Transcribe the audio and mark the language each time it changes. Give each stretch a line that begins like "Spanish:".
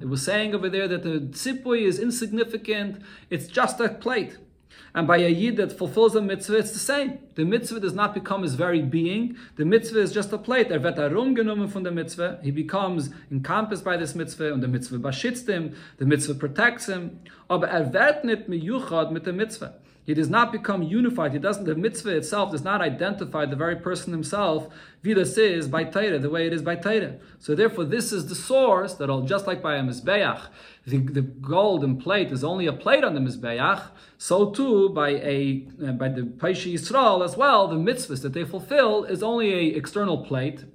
English: It was saying over there that the Tzipui is insignificant. It's just a plate. And by a Yid that fulfills the mitzvah, it's the same. The mitzvah does not become his very being. The mitzvah is just a plate.
Yiddish: Er wird arum genommen von der mitzvah.
English: He becomes encompassed by this mitzvah, and the mitzvah beschützt him. The mitzvah protects him.
Yiddish: Aber er wird nicht miyuchad mit der mitzvah.
English: He does not become unified. The mitzvah itself does not identify the very person himself,
Yiddish: wie das ist
English: by Torah, the way it is by Torah. So therefore, this is the source that, just like by a Mizbeach, the golden plate is only a plate on the Mizbeach, so too by the Paishi Yisrael as well, the mitzvahs that they fulfill is only a external plate.